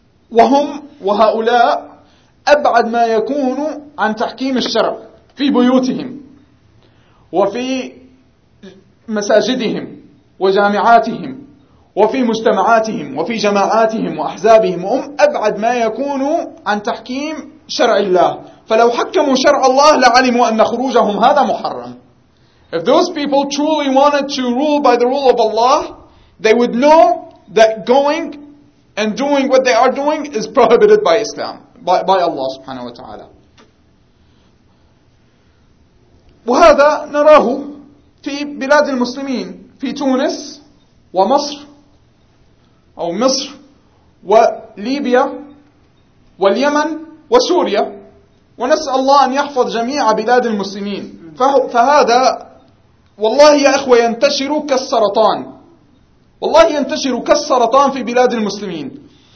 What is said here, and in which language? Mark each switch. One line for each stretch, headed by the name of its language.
Arabic: وهم وهؤلاء أبعد ما يكون عن تحكيم الشرع في بيوتهم وفي مساجدهم وجامعاتهم وفي مجتمعاتهم وفي جماعاتهم وأحزابهم. وهم أبعد ما يكون عن تحكيم شرع الله. فلو حكموا شرع الله لعلموا أن خروجهم هذا محرم.
English: If those people truly wanted to rule by the rule of Allah, they would know that going and doing what they are doing is prohibited by Islam, by Allah subhanahu wa ta'ala.
Arabic: وهذا نراه في بلاد المسلمين في تونس ومصر أو مصر وليبيا واليمن وسوريا. ونسأل الله أن يحفظ جميع بلاد المسلمين. فهذا والله يا إخوة ينتشر كالسرطان، والله ينتشر كالسرطان في بلاد المسلمين.